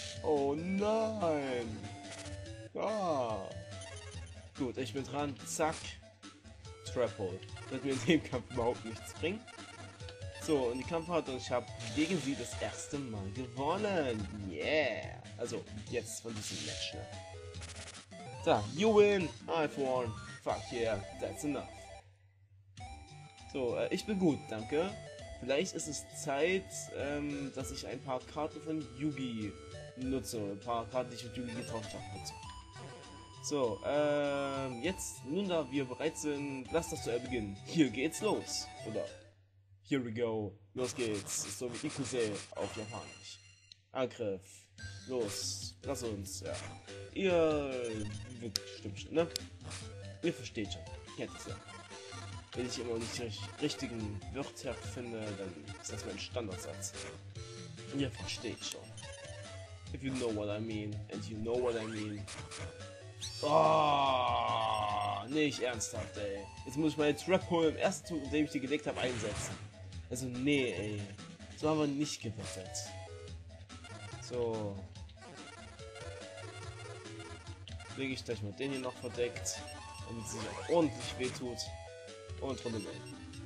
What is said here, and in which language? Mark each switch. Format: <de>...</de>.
<de>Oh nein. Ah. Gut, ich bin dran. Zack. Trap Hold. Wird mir in dem Kampf überhaupt nichts bringen. So, und die Kampfhaut und ich habe gegen sie das erste Mal gewonnen. Yeah. Also, jetzt von diesem Match, ne?</de> <en>Da, you win, I've won, fuck yeah, that's enough.</en> <de>So, ich bin gut, danke. Vielleicht ist es Zeit, dass ich ein paar Karten von Yugi nutze, ein paar Karten, die ich mit Yugi getauscht habe. So, jetzt, nun da wir bereit sind, lass das Duell beginnen. Hier geht's los, oder?</de> <en>Here we go,</en> <de>los geht's, so wie Ikuse auf Japanisch. Angriff. Los, lass uns, ja. Stimmt, ne? Ihr versteht schon. Kennt es ja. Wenn ich immer nicht die richtigen Wörter finde, dann ist das mein Standardsatz. Ihr versteht schon.</de> <en>If you know what I mean, and you know what I mean.</en> <de>Oh, nicht ernsthaft, ey. Jetzt muss ich meine Trap Hole im ersten Zug, in dem ich die gedeckt habe, einsetzen. Also, nee, ey. So haben wir nicht gewettet. So. Lege ich gleich mal den hier noch verdeckt, damit sie sich auch ordentlich wehtut. Und Runde melden.</de>